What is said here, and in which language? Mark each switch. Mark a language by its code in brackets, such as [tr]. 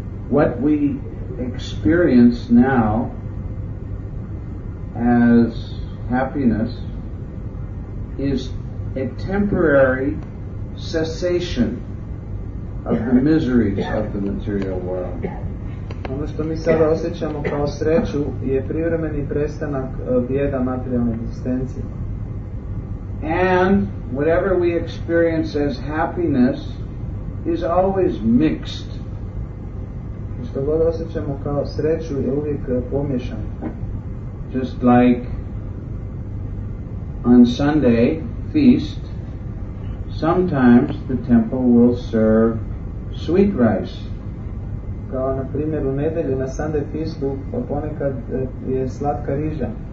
[en] What we experience now as happiness is a temporary cessation of the miseries of the material world. [hr] Ono što mi sada osjećamo kao sreću je privremeni prestanak bijeda materijalne egzistencije. [en] And whatever we experience as happiness is always mixed. [hr] Što god osjećamo kao sreću je uvijek pomiješano. [en] Just like on Sunday feast, sometimes the temple will serve sweet rice. [hr] Kao na primjer u nedjelju na [en] Sunday feastu [hr] ponekad je slatka riža.